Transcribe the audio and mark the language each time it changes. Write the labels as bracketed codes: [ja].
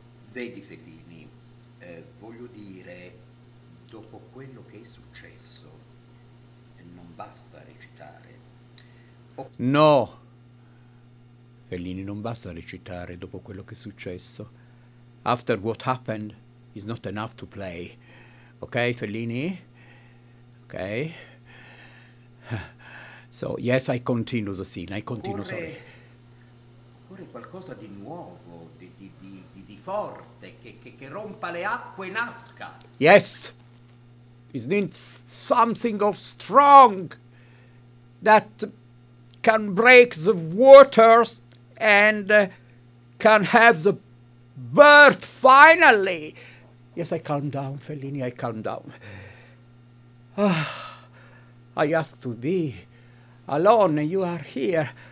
[it] Vedi, Fellini, voglio dire, dopo quello che è successo, non basta recitare. No, Fellini, non basta recitare dopo quello che è successo. [en] After what happened is not enough to play. Ok, Fellini? Ok. So, yes, I continue the scene, I continue, sorry. [it] Occorre qualcosa di nuovo, di forte, che rompa le acque e nasca. [en] Yes, it needs something of strong that can break the waters and can have the birth finally. Yes, I calm down, Fellini, I calm down. I asked to be alone and you are here.